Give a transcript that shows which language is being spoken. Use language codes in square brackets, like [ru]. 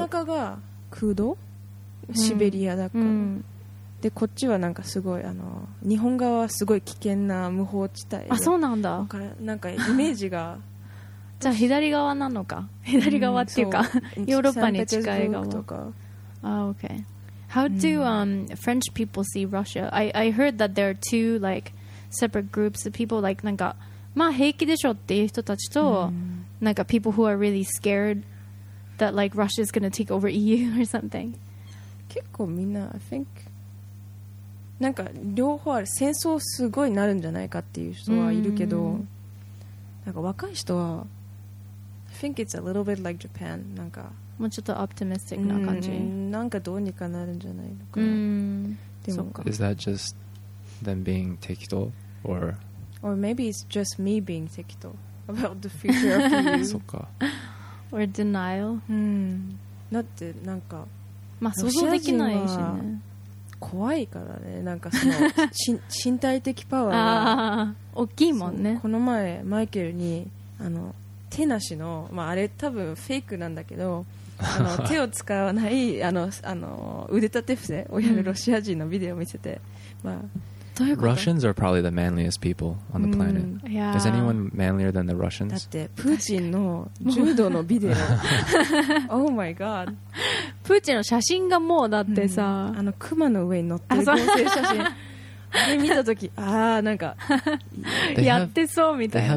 [ja] 真ん中が空洞？シベリアだから。でこっちはなんかすごいあの日本側はすごい危険な無法地帯。あ、そうなんだ。なんかイメージがじゃあ左側なのか、左側っていうか、ヨーロッパに近い側とか。 [en] あ、OK。How do French people see Russia? I heard that there are two like separate groups of people, like [ja] なんかまあ平気でしょっていう人たちと、なんか [en] people who are really scared that like Russia is going to take over EU or something。 [ja] 結構みんな [en] I think [ja] なんか両方ある。戦争すごいなるんじゃないかっていう人はいるけど、なんか若い人は [en] I think it's a little bit like Japan、 [ja] なんかもうちょっとオプティミスティックな感じ、なんかどうにかなるんじゃないのかな。でもそうか。 [en] Is that just them being 適当 or maybe it's just me being 適当 about the future of the EU [ja] そうか。 [en] or denial、 [ja] だってなんかまあ想像できないしね、怖いからね、なんかその身体的パワーが大きいもんね。この前マイケルにあの手なしの、まあ、あれ多分フェイクなんだけど、あの手を使わないあの腕立て伏せをやるロシア人のビデオを見せて、まあ、 [en] Russians are probably the manliest people on the planet. Yeah. Is anyone manlier than the Russians? [ja] だってプーチンの柔道のビデオ。 [en] Oh my god. [ja] プーチンの写真がもうだってさ、あの熊の上に乗ってる合成写真。あれ見た時、ああ、なんかやってそうみたいな。